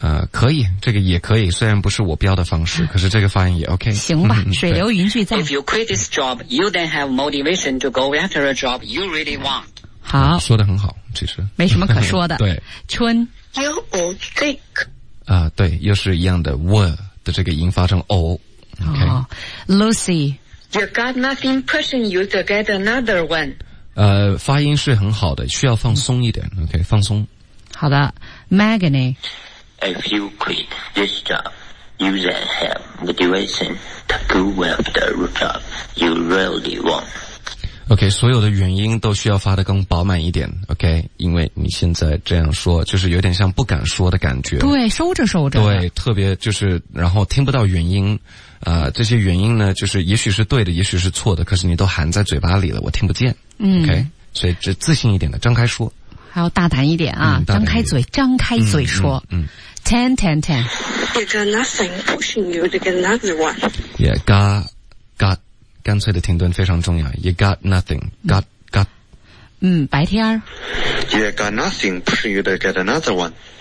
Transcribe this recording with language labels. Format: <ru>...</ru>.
<zh>可以，这个也可以，虽然不是我标的方式，可是这个发音也 OK。行吧，水流云聚在。</zh> <en>If you quit this job, you then have motivation to go after a job you really want.</en> <zh>好，说得很好，其实没什么可说的。对，春。</zh> <en>You would think.</en> <zh>对，又是一样的 were 的这个音发成 o。Okay? Lucy.</zh> <en>You got nothing pushing you to get another one.</en> <zh>发音是很好的，需要放松一点。 OK, 放松。好的 ，Magani.</zh> <en>If you quit this job, you then have motivation to go after a job you really want.</en> <zh>OK, 所有的原因都需要发得更饱满一点。OK, 因为你现在这样说，就是有点像不敢说的感觉。对，收着收着。对，特别就是，然后听不到原因。这些原因呢就是也许是对的也许是错的可是你都含在嘴巴里了我听不见。 OK, 所以这自信一点的张开说。还要大胆一点啊、点张开嘴张开嘴说。10, 10, 10.</zh> <en>You got nothing pushing you to get another one.</en> <zh>Yeah, got, 干脆的停顿非常重要。</zh> <en>You got nothing, got.</en> <zh>白天。</zh> <en>You got nothing pushing you to get another one.</en>